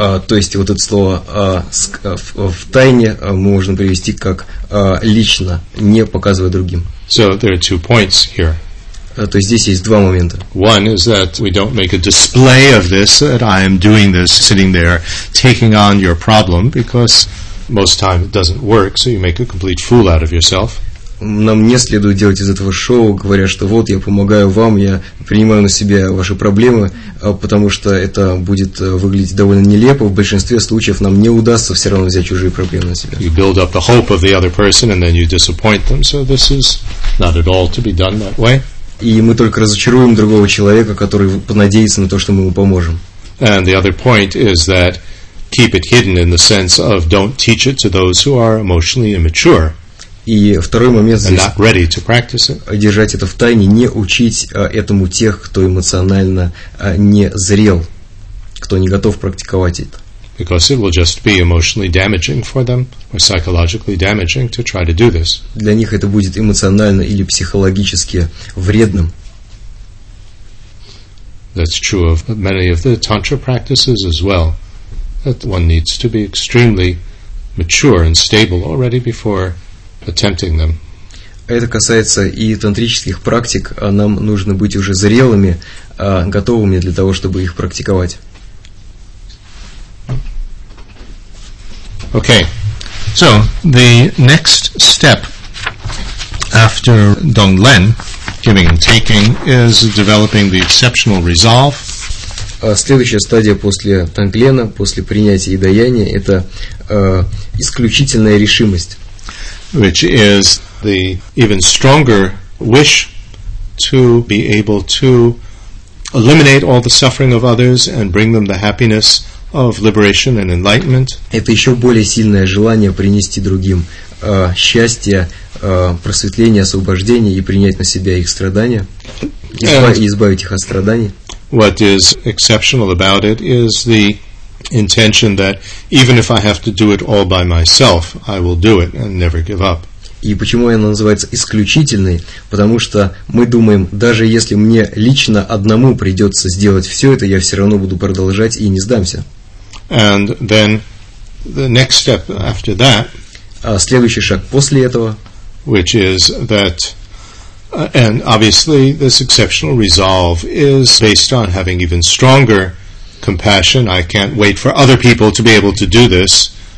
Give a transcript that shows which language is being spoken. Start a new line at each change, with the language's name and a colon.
Russian: То есть вот это слово в тайне можно перевести как лично, не показывая другим.
English: So there are two points here.
Russian: То есть здесь есть два момента.
English: One is that we don't make a display of this, that I am doing this, sitting there, taking on your problem, because most time it doesn't work, so you make a complete fool out of yourself.
Russian: Нам не следует делать из этого шоу, говоря, что вот я помогаю вам, я принимаю на себя ваши проблемы, потому что это будет выглядеть довольно нелепо. В большинстве случаев нам не удастся все равно взять чужие проблемы на себя.
English: You build up the hope of the other person, and then you disappoint them, so this is not at all to be done that way.
Russian: И мы только разочаруем другого человека, который понадеется на то, что мы ему поможем.
English: And the other point is that keep it hidden in the sense of don't teach it to those who are emotionally immature.
Russian: И второй момент здесь,
English: and not ready to practice it.
Russian: Держать это в тайне, не учить этому тех, кто эмоционально не зрел, кто не готов практиковать это.
English: Because it will just be emotionally damaging for them, or psychologically damaging to try to do this.
Russian: Для них это будет эмоционально или психологически вредным.
English: That's true of many of the tantra practices as well. That one needs to be extremely mature and stable already before attempting them.
Russian: Это касается и тантрических практик. Нам нужно быть уже зрелыми, готовыми для того, чтобы их практиковать.
English: Okay, so the next step after Donglen, giving and taking, is developing the exceptional resolve.
Russian: Следующая стадия после Донглена, после принятия и даяния, это исключительная решимость.
English: Which is the even stronger wish to be able to eliminate all the suffering of others and bring them the happiness of liberation and enlightenment.
Russian: Это еще более сильное желание принести другим счастье, просветление, освобождение и принять на себя их страдания, избавить их от страданий.
English: What is exceptional about it is the intention that even if I have to do it all by myself, I will do it and never give up.
Russian: И почему она называется исключительной? Потому что мы думаем, даже если мне лично одному придется сделать все это, я все равно буду продолжать и не сдамся.
English: And then the next step after that,
Russian: следующий шаг после этого,
English: which is that, and obviously this exceptional resolve is based on having even stronger compassion. I can't wait for other people to be able to do this.